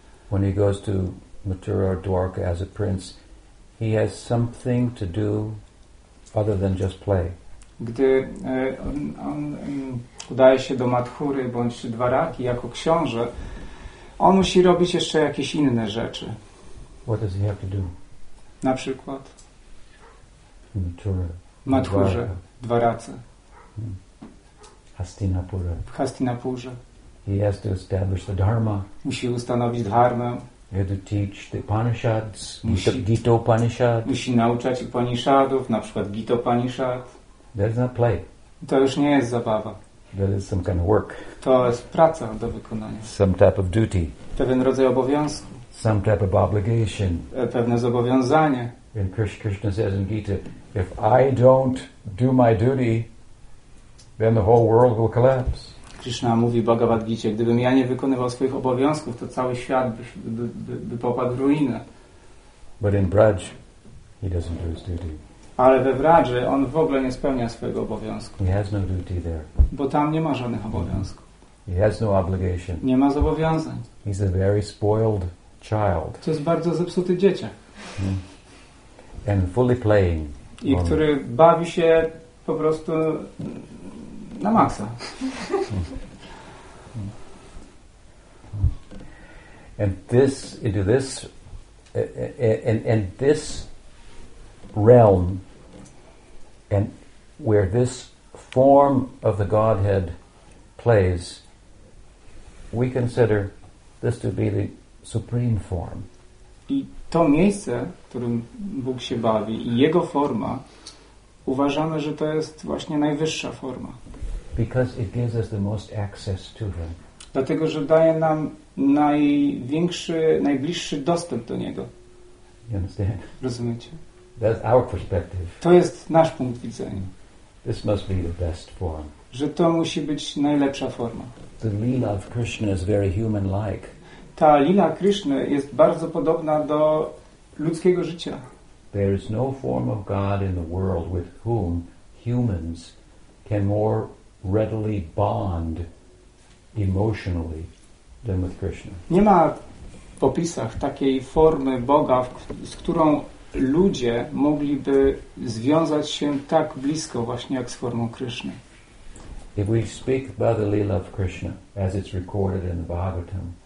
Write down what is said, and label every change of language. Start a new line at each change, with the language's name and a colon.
English: When he goes to Mathura or Dwarka as a prince, he has something to do other than just play.
Polish: Gdy on udaje się do Mathury bądź Dwaraki jako książę, on musi robić jeszcze jakieś inne rzeczy.
English: What does he have to do?
Polish: Na przykład
English: Mathura,
Polish: Mathurze, Dwarace.
English: Hastinapura.
Polish: W Hastinapurze.
English: He has to establish the dharma.
Polish: Musi ustanowić dharmę.
English: He had to teach the Upanishads, Gita Upanishad.
Polish: Musi nauczać Upanishadów, na przykład Gita Upanishad.
English: That's not play.
Polish: To już nie jest zabawa.
English: That is some kind of work.
Polish: To jest praca do wykonania.
English: Some type of duty.
Polish: Pewien rodzaj obowiązku.
English: Some type of obligation.
Polish: Pewne zobowiązanie.
English: And Krishna says in Gita, if I don't do my duty, then the whole world will collapse.
Polish: Krishna mówi w Bhagavad Gita, gdybym ja nie wykonywał swoich obowiązków, to cały świat by popadł w ruinę.
English: But in Braj, he doesn't do his duty.
Polish: Ale we Vraży on w ogóle nie spełnia swojego obowiązku.
English: He has no duty there.
Polish: Bo tam nie ma żadnych obowiązków.
English: He has no obligation.
Polish: Nie ma zobowiązań.
English: He's a very spoiled child.
Polish: To jest bardzo zepsuty dzieciak.
English: Hmm. And fully playing.
Polish: I on. Który bawi się po prostu na maksa.
English: And this realm, and where this form of the Godhead plays, we consider this to be the supreme form.
Polish: I to miejsce, którym Bóg się bawi, i jego forma, uważamy, że to jest właśnie najwyższa forma.
English: Because it gives us the most access to him.
Polish: Dlatego, że daje nam największy, najbliższy dostęp do niego.
English: You understand?
Polish: Rozumiecie?
English: That's our perspective.
Polish: To jest nasz punkt widzenia.
English: This must be the best form.
Polish: Że to musi być najlepsza forma.
English: The lila of Krishna is very human-like.
Polish: Ta lila Krishny jest bardzo podobna do ludzkiego życia.
English: There is no form of God in the world with whom humans can more readily bond emotionally than with Krishna.
Polish: Nie ma w opisach takiej formy Boga, z którą ludzie mogliby związać się tak blisko właśnie jak z formą Krishny.
English: If we speak about the lila of Krishna as it's recorded in the Bhagavatam,